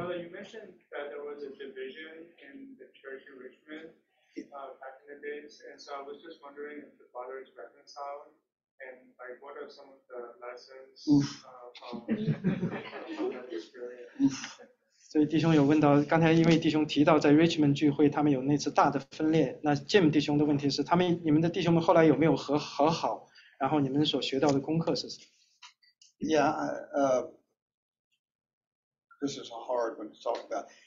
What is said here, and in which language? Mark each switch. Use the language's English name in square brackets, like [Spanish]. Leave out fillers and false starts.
[English] Father, you mentioned that there was a division in the church in Richmond back in the days, and so I was just wondering if the father is reconciled, and like, what are some of the lessons from that experience? [Chinese] 所以弟兄有问到，刚才因为弟兄提到在 Richmond 聚会，他们有那次大的分裂。那 Jim 弟兄的问题是，他们你们的弟兄们后来有没有和好？然后你们所学到的功课是什么？Yeah. [English] This is a hard one to talk about.